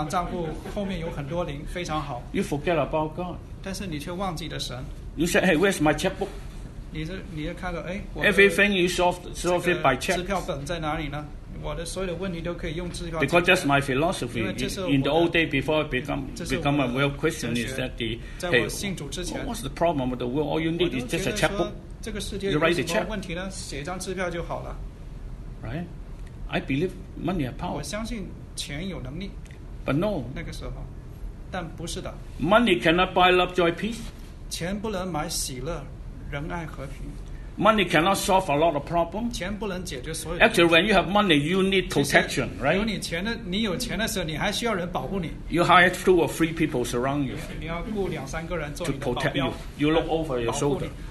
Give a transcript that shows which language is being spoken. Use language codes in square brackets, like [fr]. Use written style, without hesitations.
[zh] 你的那个银行账户后面有很多零, 非常好, [en] you forget about God. [zh] 但是你却忘记了神, [en] you said, hey, where's my checkbook? [zh] 你就看到, 哎, [en] everything you solve it by check. [zh] 支票本在哪里呢? 我的所有的问题都可以用支票, [en] because that's my philosophy. [zh] 因为这是我的, [en] in the old day before I become a real Christian, is that the, hey, what's the problem with the world? All you need is just a checkbook. [zh] 这个世界有什么问题呢? [en] You write a check. [zh] 问题呢?写一张支票就好了, [en] right? I believe money has power. [zh] 我相信钱有能力, [en] but no. [zh] 那个时候, 但不是的, [en] money cannot buy love, joy, peace. [zh] 钱不能买喜乐, 仁爱和平, [en] money cannot solve a lot of problems. Actually, when you have money, you need protection, right? [zh] 有你钱的, 你有钱的时候, 你还需要人保护你, [en] you hire two or three people surround you to protect you. You look over your shoulder.